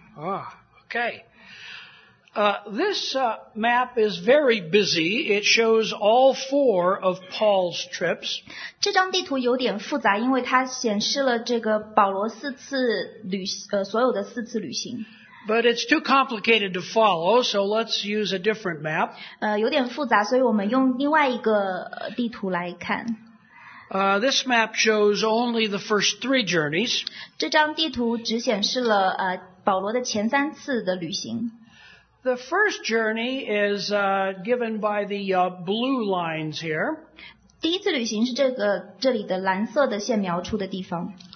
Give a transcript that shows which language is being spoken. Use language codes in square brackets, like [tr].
[en] Ah, okay. This map is very busy. It shows all four of Paul's trips. [zh] 这张地图有点复杂，因为它显示了这个保罗四次旅，所有的四次旅行。 [en] But it's too complicated to follow, so let's use a different map. [zh] 有点复杂，所以我们用另外一个地图来看。 [en] This map shows only the first three journeys. [zh] 这张地图只显示了保罗的前三次的旅行。 [en] The first journey is given by the blue lines here. [zh] 第一次旅行是这个这里的蓝色的线描出的地方。